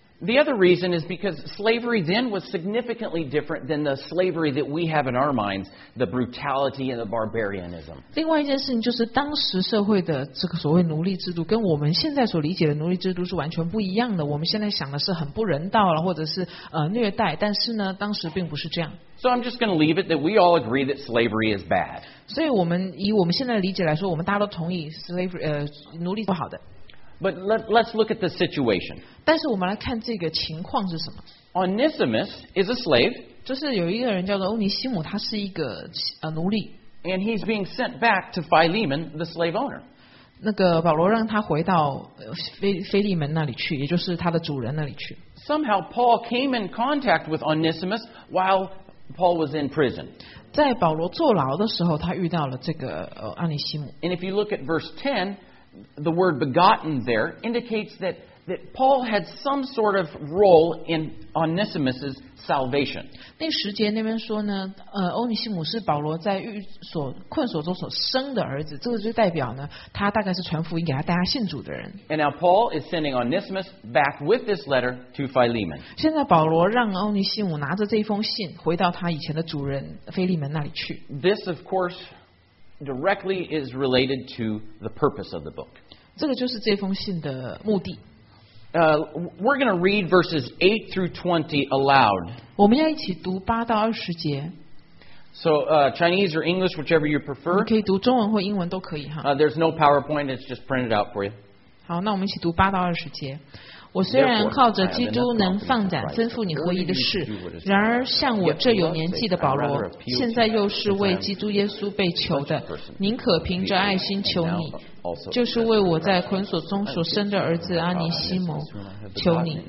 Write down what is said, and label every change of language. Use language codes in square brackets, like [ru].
[en] The other reason is because slavery then was significantly different than the slavery that we have in our minds, the brutality and the barbarianism. [zh] 另外一件事情就是当时社会的这个所谓奴隶制度跟我们现在所理解的奴隶制度是完全不一样的。我们现在想的是很不人道了，或者是虐待，但是呢，当时并不是这样。 [en] So I'm just going to leave it that we all agree that slavery is bad. [zh] 所以我们以我们现在的理解来说，我们大家都同意 slavery 奴隶不好的。 [en] But let's look at the situation. [zh] 但是我们来看这个情况是什么。 [en] Onesimus is a slave. [zh] 就是有一个人叫做欧尼西姆，他是一个奴隶。 [en] And he's being sent back to Philemon, the slave owner. [zh] 那个保罗让他回到腓利门那里去，也就是他的主人那里去。 [en] Somehow Paul came in contact with Onesimus while Paul was in prison. [zh] 在保罗坐牢的时候，他遇到了这个奥尼西姆。 [en] And if you look at verse 10,The word begotten there indicates that Paul had some sort of role in Onesimus's salvation. [zh] 那十节那边说呢，欧尼西姆是保罗在狱所困所中所生的儿子，这个就代表呢，他大概是传福音给他带他信主的人。 [en] And now Paul is sending Onesimus back with this letter to Philemon. [zh] 现在保罗让欧尼西姆拿着这封信回到他以前的主人腓利门那里去。 [en] This, of course. Directly is related to the purpose of the book. [zh] 这个就是这封信的目的。 [en] We're going to read verses 8 through 20 aloud. [zh] 我们要一起读8到20节。 [en] So, Chinese or English, whichever you prefer. [zh] 你可以读中文或英文都可以哈。 [en] There's no PowerPoint, it's just printed out for you. [zh] 好，那我们一起读8到20节。我虽然靠着基督能放胆吩咐你合一的事，然而像我这有年纪的保罗，现在又是为基督耶稣被囚的，宁可凭着爱心求你，就是为我在捆锁中所生的儿子阿尼西摩求你。